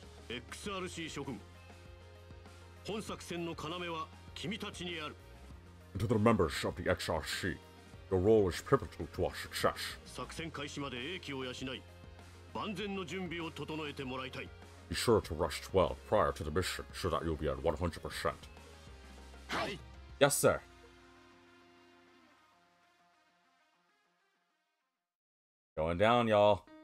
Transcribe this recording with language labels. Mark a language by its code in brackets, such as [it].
[ja] XRC 諸君, 本作戦の要は君たちにある. [en] And to the members of the XRC, your role is pivotal to our success. [ja] 作戦開始まで英気を養い、万全の準備を整えてもらいたい。 [en] Be sure to rest well prior to the mission so that you'll be at 100%. [ja] はい! [en] Yes, sir! Going down, y'all.